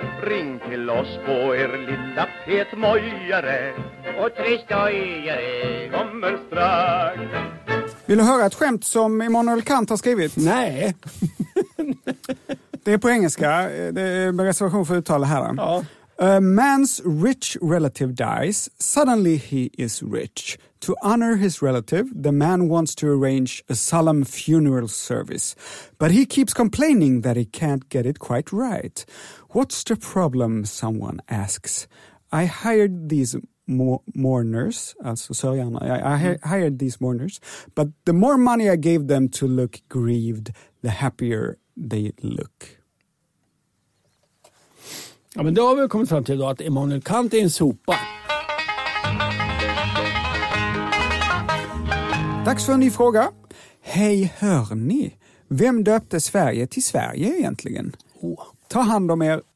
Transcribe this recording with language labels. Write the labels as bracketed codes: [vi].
[sv] Ring till oss på er lilla petmojare. Och tre skojare kommer strax. Vill du höra ett skämt som Immanuel Kant har skrivit? Nej. Det är på engelska. Det är med reservation för uttal här. Ja. [en] A man's rich relative dies. Suddenly he is rich. To honor his relative, the man wants to arrange a solemn funeral service. But he keeps complaining that he can't get it quite right. What's the problem, someone asks. I hired these mourners, [sv] alltså sörjarna. [en] I hired these mourners. But the more money I gave them to look grieved, the happier they look. [sv] Ja, men då har vi kommit fram till då att Immanuel Kant är en sopa. Dags för en ny fråga. Hej, hör ni. Vem döpte Sverige till Sverige egentligen? Oh. Ta hand om er.